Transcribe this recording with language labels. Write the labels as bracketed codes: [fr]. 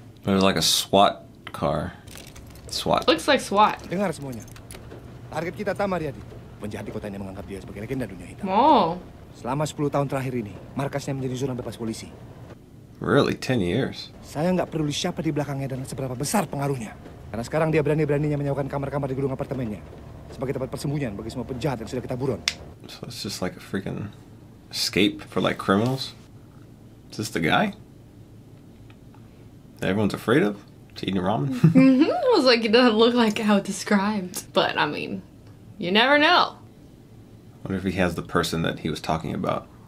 [en] But it was like a SWAT car. SWAT. It looks like SWAT. [id] Dengar semuanya. Target kita Tama Riyadi. Penjahat di kota ini menganggap dia sebagai legenda dunia hitam. Oh. Selama 10 tahun terakhir ini, markasnya menjadi zona bebas polisi. [en] Really? 10 years? [id] Saya nggak peduli siapa di belakangnya dan seberapa besar pengaruhnya. Karena sekarang dia berani-beraninya menyewakan kamar-kamar di gedung apartemennya sebagai tempat persembunyian bagi semua penjahat yang sudah kita buron. [en] So it's just like a freaking escape for like criminals? Is this the guy that everyone's afraid of? It's eating ramen? I was like, it doesn't look like how it's described. But I mean, you never know. I wonder if he has the person that he was talking about.